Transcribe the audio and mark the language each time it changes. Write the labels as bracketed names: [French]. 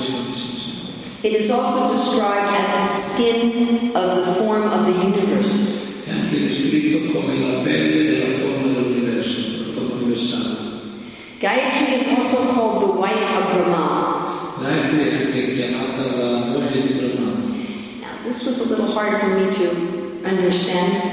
[English] It is also described as the skin of the form of the universe. [Italian] È anche descritto come la pelle della forma dell'universo, la forma universale. [English] Gayatri is also called the wife of Brahma. [Italian] Gayatri è anche chiamata la moglie di Brahma. [English] Now this was a little hard for me to understand.